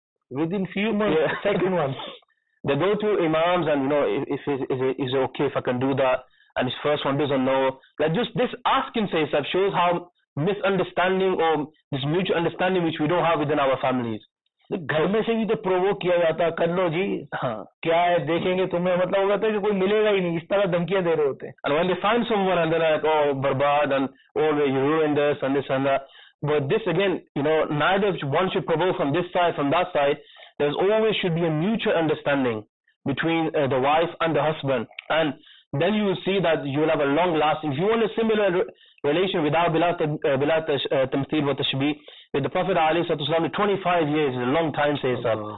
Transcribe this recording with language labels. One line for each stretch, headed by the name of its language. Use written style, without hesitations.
English: Within few months, yeah. Second one. They go to imams and, you know, if it is okay if I can do that. And his first one doesn't know. Like, just this asking, say sir, shows how misunderstanding or this mutual understanding which we don't have within our families.
Hindi: घर में से भी तो provoke किया जाता है, कर लो जी, हाँ क्या है, देखेंगे तुम्हें, मतलब वो कहते हैं कि कोई मिलेगा ही नहीं, इस तरह धमकियां दे रहे होते हैं.
English: And when they find someone and they're like, oh, बर्बाद and oh, you ruined this and this and that. But this again, you know, neither one should provoke from this side, from that side. There's always should be a mutual understanding between the wife and the husband. And then you will see that you will have a long lasting. If you want a similar relation without
Arabic: bilat tamthil wa tashbih,
English: with the Prophet Ali Sallallahu Alaihi Wasallam, 25 years is a long time, say sir.